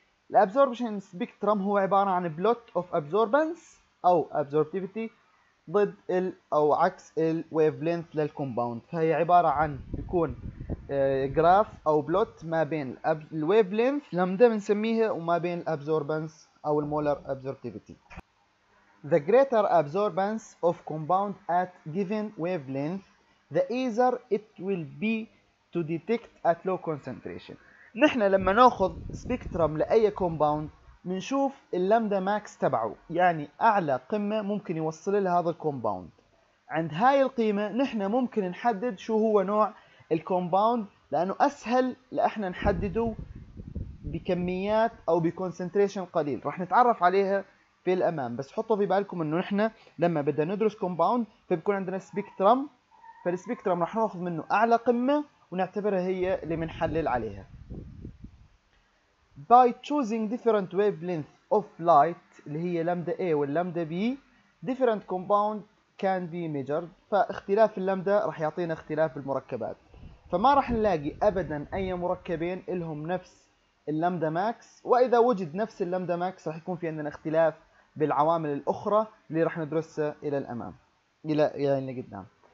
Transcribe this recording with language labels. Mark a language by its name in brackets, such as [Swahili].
[Arabic] الابزوربشن سبيكترم هو عباره عن بلوت اوف ابزوربنس او ابزوربتيفيتي ضد ال او عكس الويفلينث للكومباوند، فهي عباره عن بيكون جراف او بلوت ما بين الويفلينث لمده بنسميها وما بين الابزوربنس او المولر ابزوربتيفيتي. [English] The greater absorbance of compound at given wavelength, the easier it will be to detect at low concentration. [Arabic] نحن لما ناخذ سبيكترم لاي كومباوند بنشوف اللامدا ماكس تبعه، يعني اعلى قمه ممكن يوصل لها هذا الكومباوند. عند هاي القيمه نحن ممكن نحدد شو هو نوع الكومباوند، لانه اسهل لاحنا نحدده بكميات او بكونسنتريشن قليل. راح نتعرف عليها في الامام، بس حطوا في بالكم انه نحن لما بدنا ندرس كومباوند فبكون عندنا سبيكترم، فالسبيكترم راح ناخذ منه اعلى قمه ونعتبرها هي اللي بنحلل عليها. [English] By choosing different wavelength of light [Arabic] اللي هي لامدا A واللامدا B, [English] different compound can be measured. [Arabic] فاختلاف اللامدا رح يعطينا اختلاف المركبات، فما رح نلاقي أبدا أي مركبين لهم نفس اللامدا ماكس، وإذا وجد نفس اللامدا ماكس رح يكون في عندنا اختلاف بالعوامل الأخرى اللي رح ندرسها إلى الأمام إلى يعني قدام.